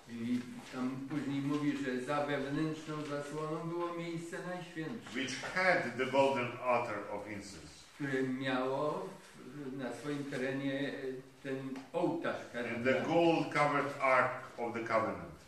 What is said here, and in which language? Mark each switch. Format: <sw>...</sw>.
<pl>I tam później mówi, że za wewnętrzną zasłoną było miejsce najświętsze.</pl> <en>Which had the golden altar of incense.</en> <pl>Które miało na swoim terenie ten ołtarz kadzidlany.</pl> <en>And the gold covered ark of the covenant.</en>